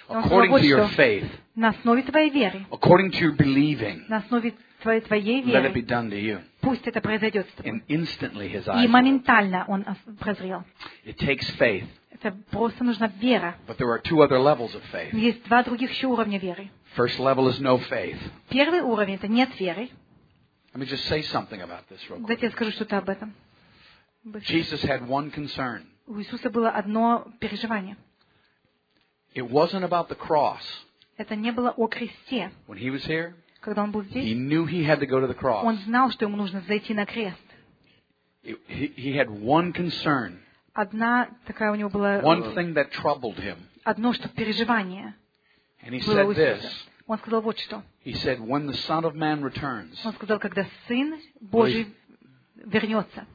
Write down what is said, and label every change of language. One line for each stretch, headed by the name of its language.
English: According to your faith.
Russian: На основе твоей веры.
English: According to your believing.
Russian: На основе твоей веры.
English: Let it be done to you.
Russian: Пусть это произойдет с тобой.
English: And instantly his eyes.
Russian: И моментально он прозрел.
English: It takes faith.
Russian: Это просто нужна вера.
English: But there are two other levels of faith.
Russian: Есть два других еще уровня веры.
English: First level is no faith.
Russian: Первый уровень это нет веры.
English: Let me just say something about this real quick.
Russian: Дайте я скажу что-то об этом.
English: Jesus had one concern.
Russian: У Иисуса было одно переживание.
English: It wasn't about the cross.
Russian: Это не было о кресте.
English: When he was here,
Russian: когда он был здесь,
English: he knew he had to go to the cross.
Russian: Он знал, что ему нужно зайти на крест.
English: He had one concern.
Russian: Одна такая у него была.
English: One thing that troubled him.
Russian: Одно что переживание.
English: And he said this.
Russian: Он сказал вот что.
English: He said, "When the Son of Man returns."
Russian: Он сказал, когда Сын Божий вернется.